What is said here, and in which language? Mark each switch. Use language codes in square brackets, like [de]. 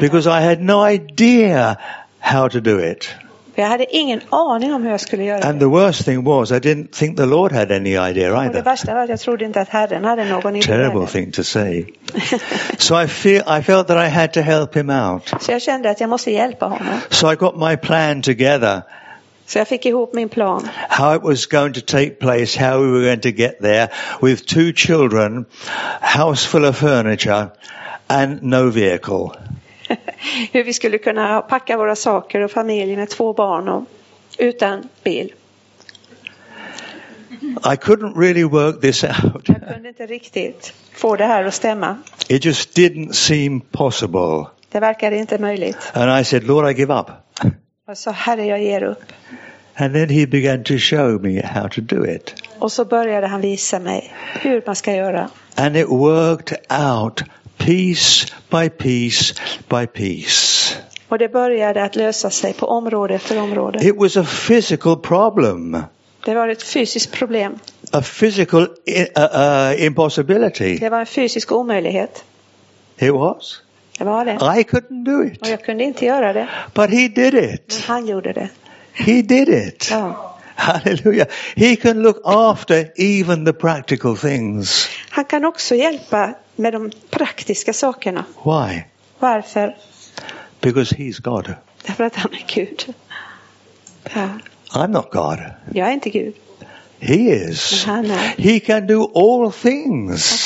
[en] Because I had no idea how to do it. [sv] Jag hade ingen aning om hur jag skulle göra det. [en] And the worst thing was, I didn't think the Lord had any idea either. [sv] Och det värsta var att jag trodde inte att Herren hade någon idé. [en] Terrible thing to say. So I felt that I had to help him out. [sv] Så jag kände att jag måste hjälpa honom. [en] So I got my plan together. [sv] Så jag fick ihop min plan. [en] How it was going to take place, how we were going to get there, with two children, house full of furniture, and no vehicle. [sv] Hur vi skulle kunna packa våra saker och familjen med två barn och utan bil. [en] I couldn't really work this out. [sv] Jag kunde inte riktigt få det här att stämma. [en] It just didn't seem possible. [sv] Det verkade inte möjligt. [en] And I said, Lord, I give up. [sv] Och så, Herre, jag ger upp. [en] And then he began to show me how to do it. [sv] Och så började han visa mig hur man ska göra. [en] And it worked out. Peace by peace by peace. [sv] Och det började att lösa sig på område efter område. [en] It was a physical problem. [sv] Det var ett fysiskt problem. [en] A physical impossibility. [sv] Det var en fysisk omöjlighet. [en] It was. [sv] Det var det. [en] I couldn't do it. [sv] Och jag kunde inte göra det. [en] But he did it. [sv] Men han gjorde det. [en] He did it. [sv] Ja. [en] Hallelujah. He can look after even the practical things. [sv] Han kan också hjälpa med de praktiska sakerna. [en] Why? [sv] Varför? [en] Because he's God. [sv] Därför att han är Gud. Ja. [en] I'm not God. [sv] Jag är inte Gud. [en] He is. [sv] Han är. [en] He can do all things.